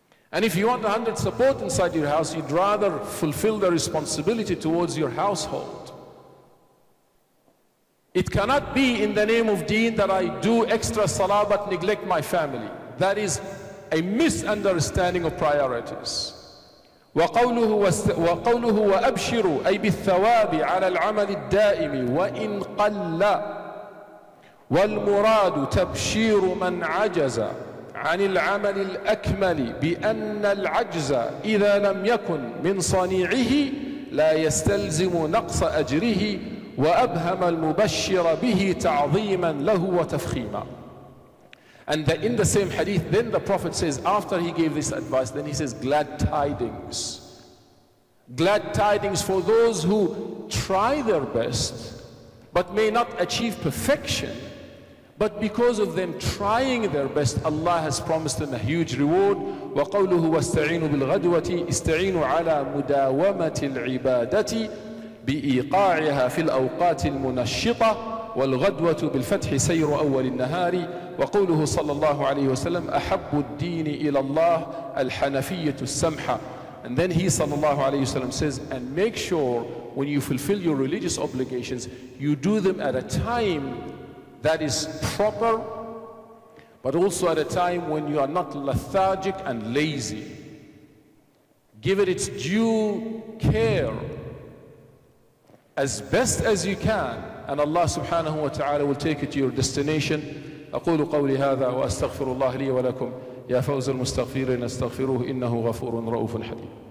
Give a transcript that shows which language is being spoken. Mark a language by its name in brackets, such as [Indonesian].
[English] And if you want 100% support inside your house, you'd rather fulfill the responsibility towards your household. It cannot be in the name of deen that I do extra salah but neglect my family. That is a misunderstanding of priorities. [Arabic] وَقَوْلُهُ وَأَبْشِرُوا أَيْ بِالثَّوَابِ عَلَى الْعَمَلِ الدَّائِمِ وَإِنْ قَلَّ وَالْمُرَادُ تَبْشِيرُ مَنْ عَجَزَ عَنِ الْعَمَلِ الْأَكْمَلِ بِأَنَّ الْعَجْزَ إِذَا لَمْ يَكُنْ مِنْ صَنِيعِهِ لَا يَسْتَلْزِمُ نَقْصَ أَجْرِهِ وَأَبْهَمَ الْمُبَشِّرَ بِهِ تَعْظِيمًا لَهُ وَتَفْخِيمًا [English] And the, in the same hadith, then the Prophet says, after he gave this advice, then he says, glad tidings. Glad tidings for those who try their best, but may not achieve perfection. But because of them trying their best, Allah has promised them a huge reward. [Arabic] وَقَوْلُهُ وَاسْتَعِينُ بِالْغَدْوَةِ اسْتَعِينُ عَلَى مُدَاوَمَةِ الْعِبَادَةِ بِإِيقَاعِهَا فِي الْأَوْقَاتِ الْمُنَشِّطَةِ وَالْغَدْوَةُ بِالْفَتْحِ سَيْرُ أَوَّلِ النَّهَارِ وَقَوْلُهُ صَلَّى اللَّهُ عَلَيْهِ وَسَلَّمْ أَحَبُّ الدِّينِ إِلَى اللَّهِ الْحَنَفِيَّةُ السَّمْحَةِ. [English] And then he صلى الله عليه وسلم says, and make sure when you fulfill your religious obligations, you do them at a time that is proper, but also at a time when you are not lethargic and lazy. Give it its due care as best as you can, and Allah subhanahu wa ta'ala will take it to your destination. [Arabic] أقول قولي هذا وأستغفر الله لي ولكم يا فوز المستغفرين استغفروه إنه غفور رؤوف حليم.